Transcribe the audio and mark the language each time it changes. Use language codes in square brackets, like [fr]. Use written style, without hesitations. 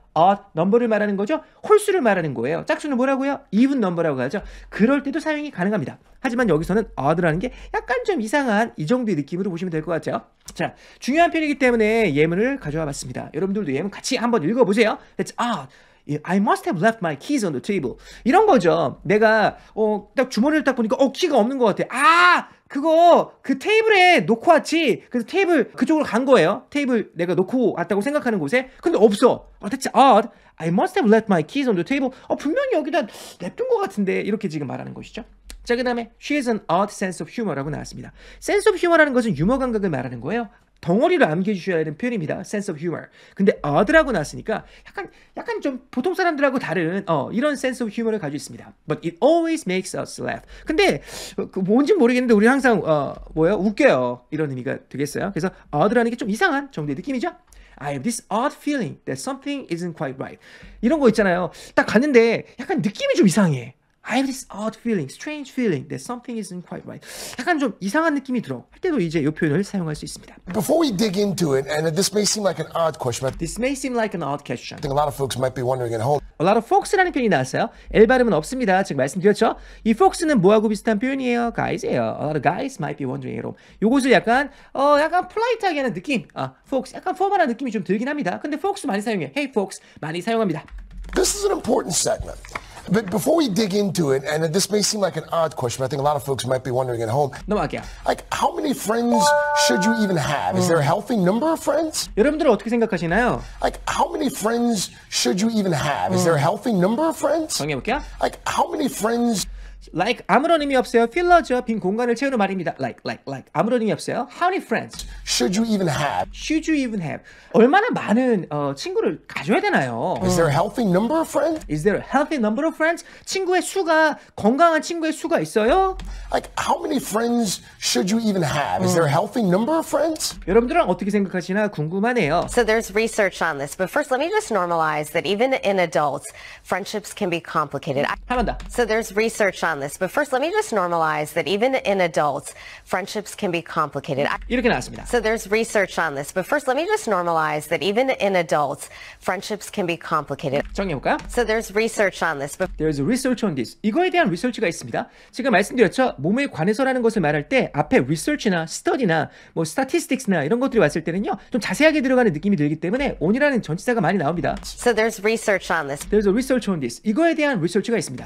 [ko] odd number를 말하는 거죠. 홀수를 말하는 거예요. 짝수는 뭐라고요? even number라고 하죠. 그럴 때도 사용이 가능합니다. 하지만 여기서는 odd라는 게 약간 좀 이상한 이 정도의 느낌으로 보시면 될 것 같아요. 자, 중요한 편이기 때문에 예문을 가져와 봤습니다. 여러분들도 예문 같이 한번 읽어보세요. [en] It's odd. I must have left my keys on the table. [ko] 이런 거죠. 내가 딱 주머니를 딱 보니까 키가 없는 것 같아. 아! 그거 그 테이블에 놓고 왔지. 그래서 테이블 그쪽으로 간 거예요. 테이블 내가 놓고 왔다고 생각하는 곳에. 근데 없어. [en] That's odd. I must have left my keys on the table. [ko] 분명히 여기다 냅둔 것 같은데. 이렇게 지금 말하는 것이죠. 자, 그 다음에 [en] She has an odd sense of humor [ko] 라고 나왔습니다. Sense of humor라는 것은 유머 감각을 말하는 거예요. 덩어리를 안겨주셔야 되는 표현입니다. [en] Sense of humor. [ko] 근데 other하고 나왔으니까 약간 좀 보통 사람들하고 다른 이런 sense of humor를 가지고 있습니다. [en] But it always makes us laugh. [ko] 근데 그 뭔지 모르겠는데 우리 항상 뭐예요? 웃겨요. 이런 의미가 되겠어요. 그래서 other라는 게 좀 이상한 정도의 느낌이죠. [en] I have this odd feeling that something isn't quite right. [ko] 이런 거 있잖아요. 딱 갔는데 약간 느낌이 좀 이상해. [en] I have this odd feeling, strange feeling that something isn't quite right. [ko] 약간 좀 이상한 느낌이 들어. 할 때도 이제 이 표현을 사용할 수 있습니다. [en] Before we dig into it, and this may seem like an odd question, but this may seem like an odd question. I think a lot of folks might be wondering at home. A lot of folks [ko] 라는 표현이 나왔어요. L 발음은 없습니다. 지금 말씀드렸죠? 이 folks는 뭐하고 비슷한 표현이에요? [en] Guys예요. A lot of guys might be wondering at home. [ko] 요것을 약간 약간 polite하게 하는 느낌. folks 약간 formal한 느낌이 좀 들긴 합니다. 근데 folks 많이 사용해요. [en] Hey folks [ko] 많이 사용합니다. [en] This is an important segment. But before we dig into it, and this may seem like an odd question, but I think a lot of folks might be wondering at home. [ko] 넘어갈게요. [en] Like, how many friends should you even have? Is there a healthy number of friends? [ko] 여러분들은 어떻게 생각하시나요? [en] Like, how many friends should you even have? Is there a healthy number of friends? [ko] 정해볼게요. [en] Like, how many friends... [ko] Like, 아무런 의미 없어요. 필러죠. 빈 공간을 채우는 말입니다. [en] Like. [ko] 아무런 의미 없어요. [en] How many friends? Should you even have? Should you even have? [ko] 얼마나 많은 친구를 가져야 되나요? [en] Is there a healthy number of friends? Is there a healthy number of friends? [ko] 친구의 수가, 건강한 친구의 수가 있어요? [en] Like, how many friends should you even have? Is there a healthy number of friends? [ko] 여러분들은 어떻게 생각하시나 궁금하네요. [en] So there's research on this, but first let me just normalize that even in adults, friendships can be complicated. [ko] 한 번 더. [en] So there's research on this, but first let me just normalize that even in adults, friendships can be complicated. [ko] 이렇게 나왔습니다. [en] So there's research on this, but first let me just normalize that even in adults, friendships can be complicated. [ko] 정리해볼까요? [en] So there's research on this, but there's research on this. [ko] 이거에 대한 리서치가 있습니다. 지금 말씀드렸죠? 몸에 관해서라는 것을 말할 때 앞에 research나 study나 뭐 statistics나 이런 것들이 왔을 때는요, 좀 자세하게 들어가는 느낌이 들기 때문에 on이라는 전치사가 많이 나옵니다. [en] So there's research on this. There's a research on this. [ko] 이거에 대한 리서치가 있습니다.